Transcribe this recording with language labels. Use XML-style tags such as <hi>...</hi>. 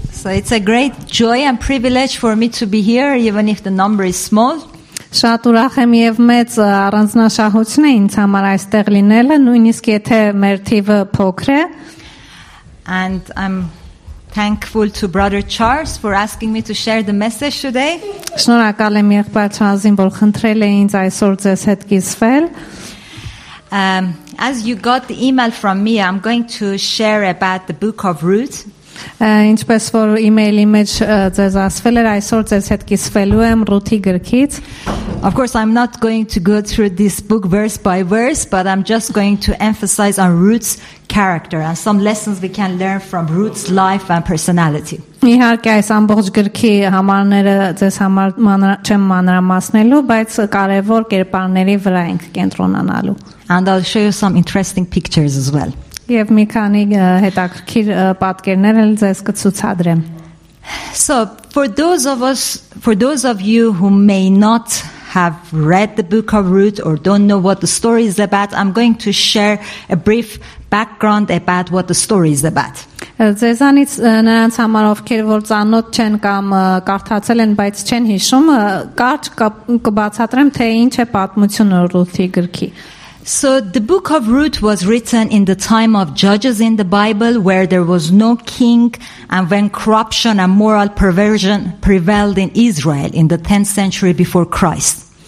<en>So it's a great joy and privilege for me to be here, even if the number is small.</en> <hy>Շատ ուրախ եմ եւ մեծ առանձնահատուկն է ինձ համար այստեղ լինելը, նույնիսկ եթե մեր թիվը փոքր է.</hy> <en>And I'm thankful to Brother Charles for asking me to share the message today.</en> <hy>Շնորհակալ եմ եղբայր Չարզին, որ խնդրել է ինձ այսօր ձեզ հետ կիսվել.</hy> <en>As you got the email from me, I'm going to share about the book of Ruth.</en> <hy>Ինչպես որ email-ի մեջ ձեզ ասվել էր, այսօր ձեզ հետ կիսվելու եմ Ռութի գրքից.</hy> <en>Of course, I'm not going to go through this book verse by verse, but I'm just going to emphasize on Ruth's character and some lessons we can learn from Ruth's life and personality.</en> <hy>Իհարկե, այս ամբողջ գրքի համարները ձեզ համար չեմ մանրամասնելու, բայց կարևոր կերպարների վրա ենք կենտրոնանալու.</hy> <en>And I'll show you some interesting pictures as well.</en> <hy>Եվ մի քանի հետաքրքիր պատկերներ էլ ձեզ կցուցադրեմ։</hy> <en>So, for those of you who may not have read the book of Ruth or don't know what the story is about, I'm going to share a brief background about what the story is about.</en> <hy>Ձեզանից նրանց համար, ովքեր որ ծանոթ չեն կամ կարդացել են, բայց չեն հիշում, կարճ կբացատրեմ, թե ինչ է պատմությունը Ռութի գրքի։</hy> <en>So the book of Ruth was written in the time of judges in the Bible, where there was no king and when corruption and moral perversion prevailed in Israel in the 10th century before Christ.</en>